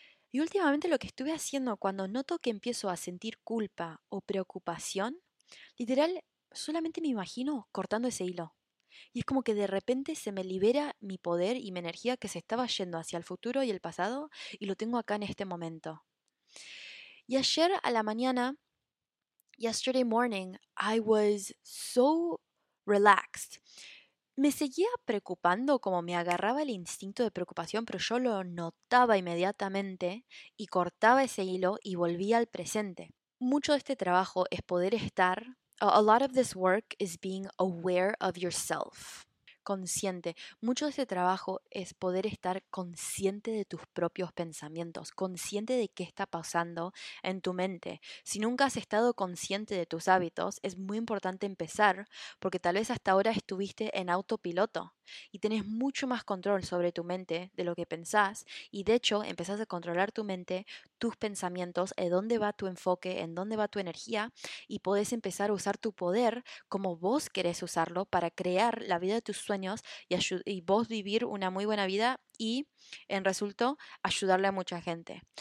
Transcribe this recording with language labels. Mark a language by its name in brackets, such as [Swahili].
[Spanish] Y últimamente lo que estuve haciendo cuando noto que empiezo a sentir culpa o preocupación, literal, solamente me imagino cortando ese hilo. Y es como que de repente se me libera mi poder y mi energía que se estaba yendo hacia el futuro y el pasado y lo tengo acá en este momento. Y ayer a la mañana, [English] yesterday morning, I was so relaxed. [Spanish] Me seguía preocupando, como me agarraba el instinto de preocupación, pero yo lo notaba inmediatamente y cortaba ese hilo y volvía al presente. Mucho de este trabajo es poder estar. [English] A lot of this work is being aware of yourself. [Spanish] Consciente. Mucho de este trabajo es poder estar consciente de tus propios pensamientos, consciente de qué está pasando en tu mente. Si nunca has estado consciente de tus hábitos, es muy importante empezar porque tal vez hasta ahora estuviste en autopiloto y tenés mucho más control sobre tu mente de lo que pensás y de hecho empezás a controlar tu mente, tus pensamientos, en dónde va tu enfoque, en dónde va tu energía y podés empezar a usar tu poder como vos querés usarlo para crear la vida de tus sueños y vos vivir una muy buena vida y, en resultado, ayudarle a mucha gente.